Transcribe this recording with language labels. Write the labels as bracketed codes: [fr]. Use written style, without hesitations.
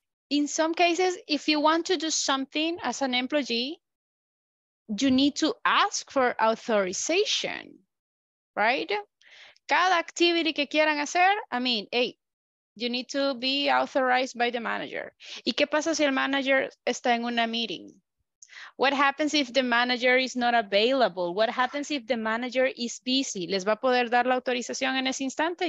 [en] In some cases, if you want to do something as an employee, you need to ask for authorization, right? [es] Cada activity que quieran hacer, [en] I mean, hey, you need to be authorized by the manager. [es] ¿Y qué pasa si el manager está en una meeting? [en] What happens if the manager is not available? What happens if the manager is busy? [es] ¿Les va a poder dar la autorización en ese instante?